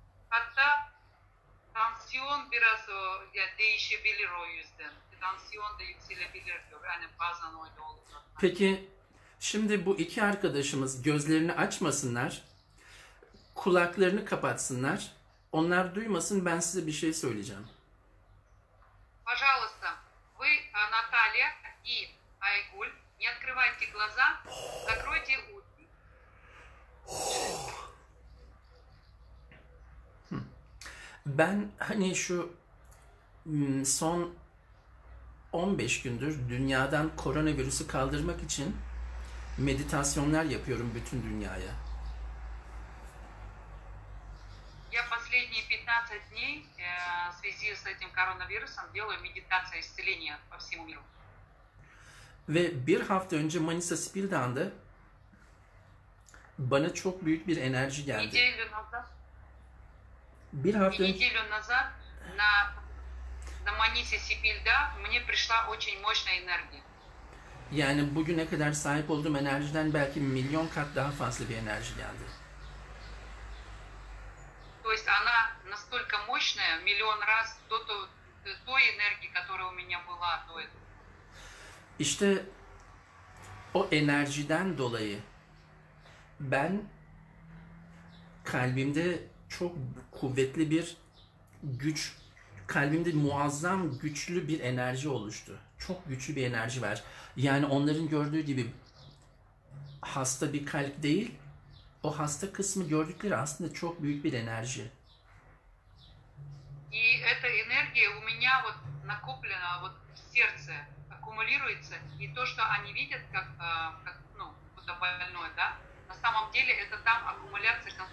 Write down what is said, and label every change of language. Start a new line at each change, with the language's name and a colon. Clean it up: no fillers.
Turkish: Hatta tansiyon biraz o, yani değişebilir o yüzden. Tansiyon da yükselebilir diyor. Yani bazen öyle oluyor. Peki şimdi bu iki arkadaşımız gözlerini açmasınlar. Kulaklarını kapatsınlar. Onlar duymasın, ben size bir şey söyleyeceğim.
Russian: Пожалуйста, вы, Наталья и Айгуль, не открывайте глаза, закройте уши.
Turkish: Ben hani şu son 15 gündür dünyadan koronavirüsü kaldırmak için meditasyonlar yapıyorum bütün dünyaya.
Russian: Я последние 15 дней в связи с этим коронавирусом делаю медитацию исцеления по всему миру.
Turkish: Ve bir hafta önce Manisa Spildan'da bana çok büyük bir enerji geldi. Bir hafta
Russian: неделю назад на Манисе Сибильда мне пришла очень мощная энергия.
Turkish: Yani bugüne kadar sahip olduğum enerjiden belki milyon kat daha fazla bir enerji geldi.
Russian: То есть она настолько мощная, миллион раз той энергии, которая у меня была до этого.
Turkish: İşte o enerjiden dolayı ben kalbimde çok kuvvetli bir güç, kalbimde muazzam güçlü bir enerji oluştu. Çok güçlü bir enerji var. Yani onların gördüğü gibi hasta bir kalp değil, o hasta kısmı gördükleri aslında çok büyük bir enerji.
Russian: И эта энергия у меня вот накоплена вот в сердце, аккумулируется, и то, что они видят как ну, будто больное, да? На самом деле это там аккумуляция